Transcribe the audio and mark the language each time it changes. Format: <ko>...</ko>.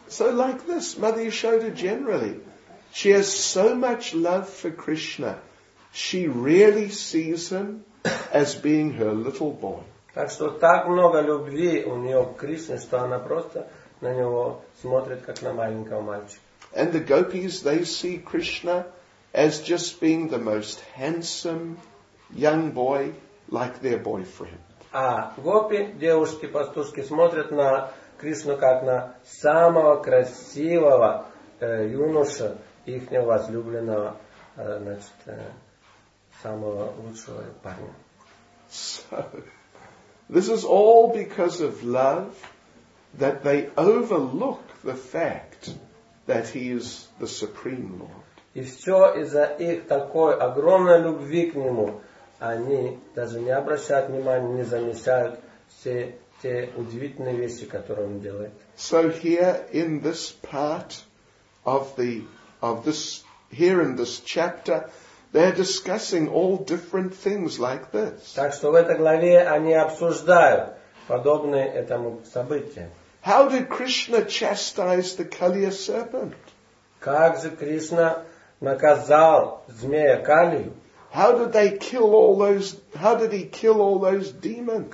<en>So like this, Mother Yashoda generally, she has so much love for Krishna, she really sees him as being her little boy.</en> <ru>Так что так много любви у нее к Кришне, что она просто на него смотрит, как на маленького мальчика.</ru> <en>And the gopis, they see Krishna as just being the most handsome young boy, like their boyfriend.</en> <ru>А гопи, девушки-пастушки, смотрят на Кришну как на самого красивого юноша, их возлюбленного, значит, самого лучшего парня.</ru> <en>So, this is all because of love that they overlook the fact that he is the Supreme Lord.</en> <ru>И все из-за их такой огромной любви к нему. Они даже не обращают внимания, не замечают все те удивительные вещи, которые он делает.</ru> <en>So here in this part here in this chapter, they're discussing all different things like this.</en> <ru>Так что в этой главе они обсуждают подобные этому события.</ru> <en>How did Krishna chastise the Kaliya serpent?</en> <ru>Как же Кришна наказал змея Калию?</ru> <en>How did he kill all those demons?</en>